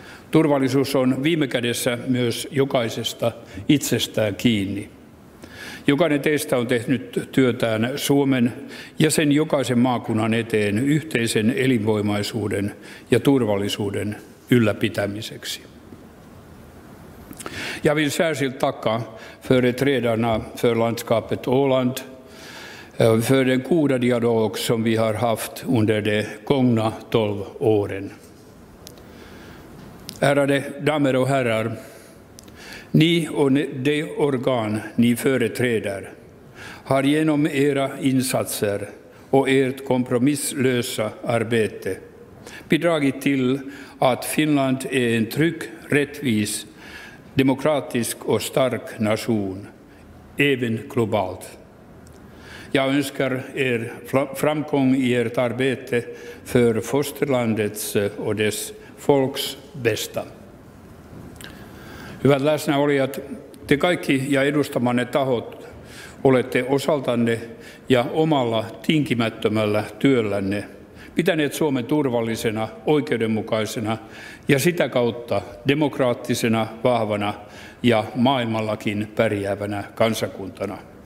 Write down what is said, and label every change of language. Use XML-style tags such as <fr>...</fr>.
<fi>Turvallisuus on viime kädessä myös jokaisesta itsestään kiinni. Jokainen teistä on tehnyt työtään Suomen ja sen jokaisen maakunnan eteen yhteisen elinvoimaisuuden ja turvallisuuden ylläpitämiseksi.</fi> <sv>Jag vill särskilt tacka företrädarna för landskapet Åland för den goda dialog som vi har haft under de gångna 12 åren. Ärade damer och herrar, ni och de organ ni företräder har genom era insatser och ert kompromisslösa arbete bidragit till att Finland är en trygg, rättvis, demokratisk och stark nation, även globalt. Jag önskar er framgång i ert arbete för fosterlandets och dess folks bästa.</sv> <fi>Hyvät läsnäolijat, te kaikki ja edustamanne tahot olette osaltanne ja omalla tinkimättömällä työllänne pitäneet Suomen turvallisena, oikeudenmukaisena ja sitä kautta demokraattisena, vahvana ja maailmallakin pärjäävänä kansakuntana.</fi>